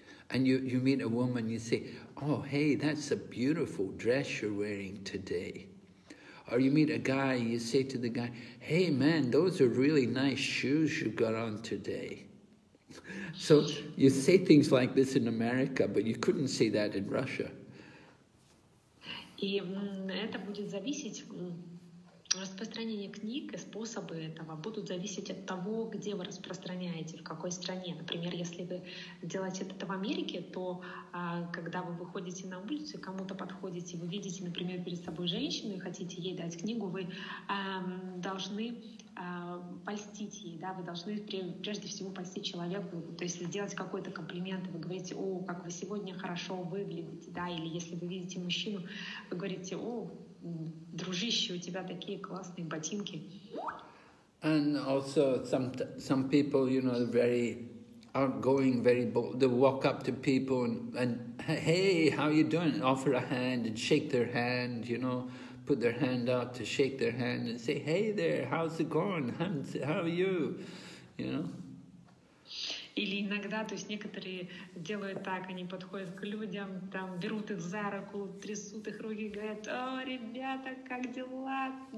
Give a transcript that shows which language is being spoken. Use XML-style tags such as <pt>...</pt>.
<en>And you meet a woman, you say, oh, hey, that's a beautiful dress you're wearing today. Or you meet a guy, you say to the guy, hey, man, those are really nice shoes you got on today. So you say things like this in America, but you couldn't say that in Russia.</en> <ru>И это будет зависеть, распространение книг и способы этого будут зависеть от того, где вы распространяете, в какой стране. Например, если вы делаете это в Америке, то когда вы выходите на улицу, кому-то подходите, вы видите, например, перед собой женщину и хотите ей дать книгу, вы должны польстить ей, да, вы должны прежде всего польстить человеку, то есть сделать какой-то комплимент, вы говорите, о, как вы сегодня хорошо выглядите, да, или если вы видите мужчину, вы говорите, о, дружище, у тебя такие классные ботинки.</ru> <en>And also some people, you know, very outgoing, very bold, they walk up to people and hey, how you doing? Offer a hand and shake their hand, you know. Put their hand out to shake their hand and say, hey there, how's it going? How are you? You know?</en> <ru>Или иногда, то есть некоторые делают так, они подходят к людям, там берут их за руку, трясут их руки, говорят, о, ребята, как дела?</ru>